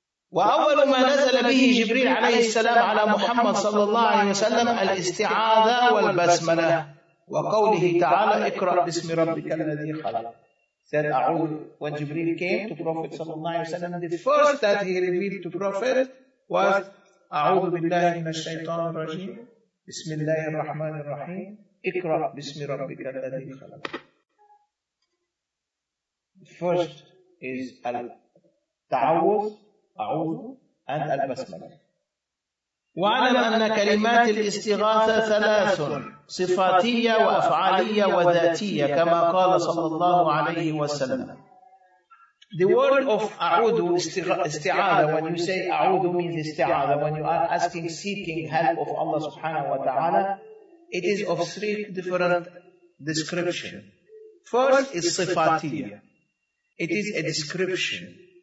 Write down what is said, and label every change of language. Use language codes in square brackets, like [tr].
[ar] وأول ما نزل به جبريل عليه السلام على محمد صلى الله عليه وسلم الاستعاذة والبسملة وقوله تعالى اقرأ باسم ربك الذي خلق. [en] Said أعوذ. When Jibril came to Prophet [ar] صلى الله عليه وسلم, [en] the first that he revealed to Prophet was [ar] أعوذ بالله من الشيطان الرجيم. بسم الله الرحمن الرحيم. اقرأ بسم ربك الذي خلق. [en] First is [ar] التعوذ أعوذ [en] and البسملة. [ar] وعلم أن كلمات الاستغاثة ثلاث: صفاتية وأفعالية وذاتية، كما قال صلى الله عليه وسلم. [en] The word of [ar] أعوذ استعاذة. [en] When you say أعوذ means استعاذة. When you are asking, seeking help of Allah [ar] سبحانه وتعالى, [en] it is of three different description. First is صفاتية. It is a description.